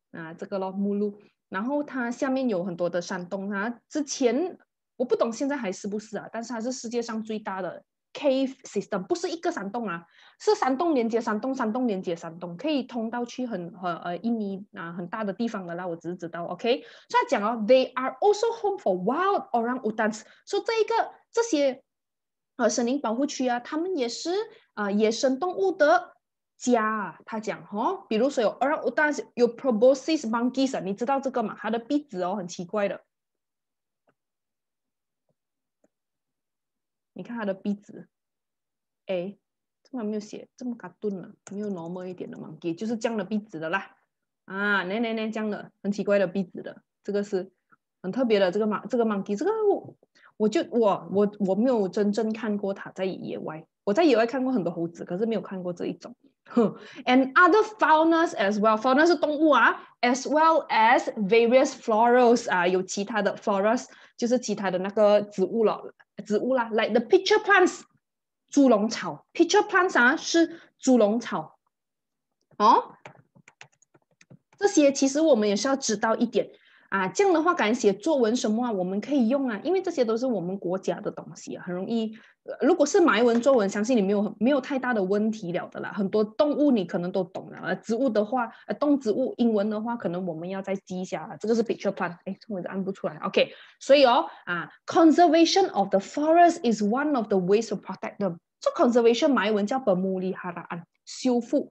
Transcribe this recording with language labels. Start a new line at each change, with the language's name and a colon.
Chinese: 啊，这个咯，目录，然后它下面有很多的山洞啊。之前我不懂，现在还是不是啊？但是它是世界上最大的 cave system， 不是一个山洞啊，是山洞连接山洞，山洞连接山洞，可以通到去很印尼啊很大的地方的啦。我只是知道 ，OK。所以讲哦
English: ，they are also home for wild orangutans。
Chinese: 所以这一个这些森林保护区啊，他们也是野生动物的。家他讲、哦、比如说有 orangutans 有 proboscis monkeys、啊、你知道这个吗他的鼻子、哦、很奇怪的你看他的鼻子哎，怎么没有写这么卡顿了没有 normal 一点的 monkey 就是这样的鼻子的啦啊，那这样的很奇怪的鼻子的这个是很特别的这个 monkey 这个 我没有真正看过他在野外我在野外看过很多猴子可是没有看过这一种
English: And other faunas as well.
Chinese: Fauna 是动物啊 ，
English: as well as various florals
Chinese: 啊，有其他的 florals 就是其他的那个植物了，植物啦。
English: Like the pitcher plants, 猪笼草 ，pitcher plants 啊是猪笼草。
Chinese: 哦，这些其实我们也是要知道一点啊。这样的话，敢写作文什么啊，我们可以用啊，因为这些都是我们国家的东西、啊，很容易。如果是马来文作文相信你没有太大的问题了的啦很多动物你可能都懂了植物的话动植物英文的话可能我们要再记一下这个是 picture plant 哎，这我就按不出来 OK 所以哦、啊、
English: conservation of the forest is one of the ways to protect them
Chinese: 这 conservation 马来文叫 pemuliharaan 修